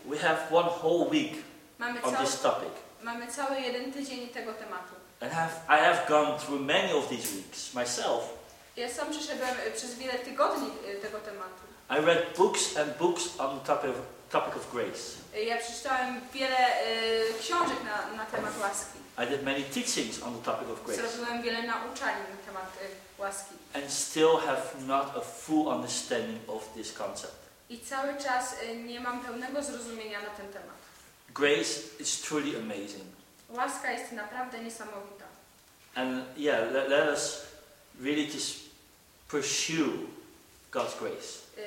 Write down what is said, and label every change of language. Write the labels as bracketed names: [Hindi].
[English] We have one whole week on this topic. [Polish] Mamy cały jeden tydzień tego tematu. [English] And I have gone through many of these weeks myself. [Polish] Ja sam przeszedłem przez wiele tygodni tego tematu. [English] I read books and books on the topic of grace. [Polish] Ja przeczytałem wiele książek na temat łaski. [English] I did many teachings on the topic of grace. [Polish] Zrozumiałem wiele nauczań na temat łaski. [English] And still have not a full understanding of this concept. [Polish] I cały czas nie mam pełnego zrozumienia na ten temat. [English] Grace is truly amazing. [Polish] Łaska jest naprawdę niesamowita. [English] And yeah, let us really just pursue God's grace.